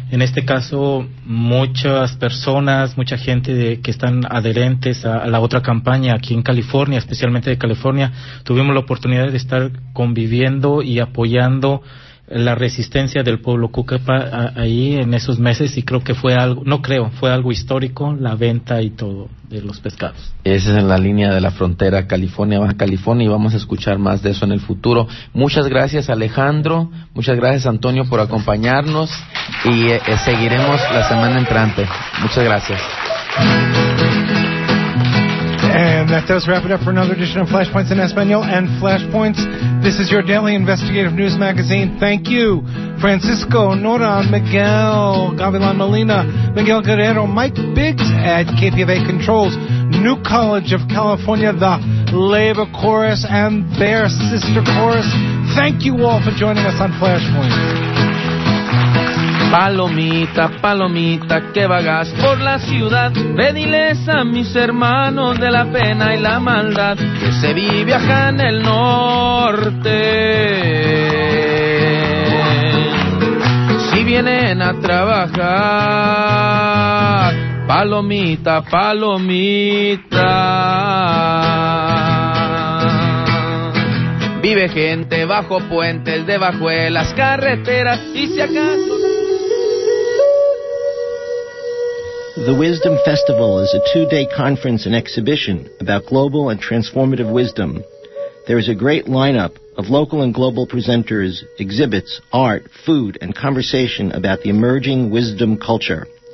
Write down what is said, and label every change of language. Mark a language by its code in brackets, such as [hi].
[es] En este caso, muchas personas, mucha gente que están adherentes a la otra campaña aquí en California, especialmente de California, tuvimos la oportunidad de estar conviviendo y apoyando la resistencia del pueblo Cucapá ahí en esos meses, y creo que fue algo, fue algo histórico, la venta y todo de los pescados. Esa es en la línea de la frontera California-Baja California, y vamos a escuchar más de eso en el futuro. Muchas gracias, Alejandro, muchas gracias, Antonio, por acompañarnos, y seguiremos la semana entrante. Muchas gracias. [en] And that does wrap it up for another edition of Flashpoints in Espanol and Flashpoints. This is your daily investigative news magazine. Thank you, Francisco, Nora, Miguel, Gavilan Molina, Miguel Guerrero, Mike Biggs at KPFA Controls, New College of California, the Labor Chorus, and their sister chorus. Thank you all for joining us on Flashpoints. Bye-bye. [es] Palomita, palomita, que vagas por la ciudad. Ve, diles a mis hermanos de la pena y la maldad que se vive acá en el norte. Si vienen a trabajar, palomita, palomita. Vive gente bajo puentes, debajo de las carreteras, y si acaso... [en] The Wisdom Festival is a two-day conference and exhibition about global and transformative wisdom. There is a great lineup of local and global presenters, exhibits, art, food, and conversation about the emerging wisdom culture.